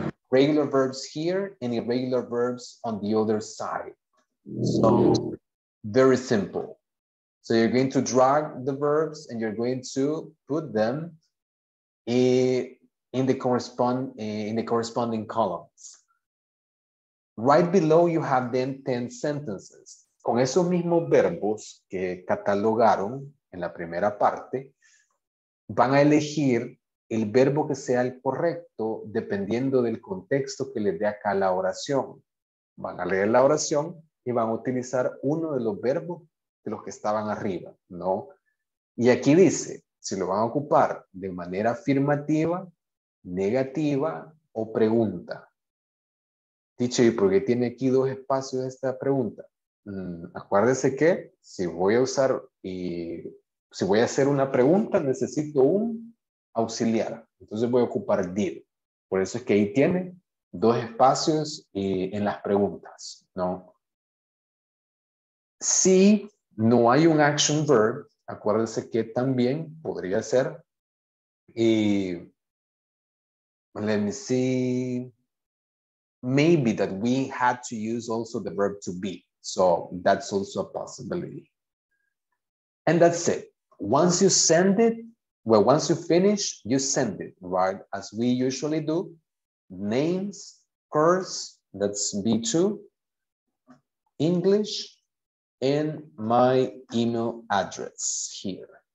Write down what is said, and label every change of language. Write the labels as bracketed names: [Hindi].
[English] regular verbs here and irregular verbs on the other side. So very simple. So you're going to drag the verbs and you're going to put them in the corresponding columns. Right below you have then 10 sentences. [Spanish] Con esos mismos verbos que catalogaron en la primera parte, van a elegir el verbo que sea el correcto dependiendo del contexto que les dé acá la oración. Van a leer la oración y van a utilizar uno de los verbos de los que estaban arriba, ¿no? Y aquí dice, si lo van a ocupar de manera afirmativa, negativa o pregunta. Dicho, ¿y por qué tiene aquí dos espacios esta pregunta? Acuérdese que si voy a usar y si voy a hacer una pregunta, necesito un auxiliar. Entonces voy a ocupar did. Por eso es que ahí tiene dos espacios y en las preguntas, ¿no? Si no hay un action verb, acuérdese que también podría ser. [English] Y, let me see. Maybe that we had to use also the verb to be. So that's also a possibility. And that's it. Once you send it, well, once you finish, you send it, right? As we usually do, names, course, that's B2, English, and my email address here.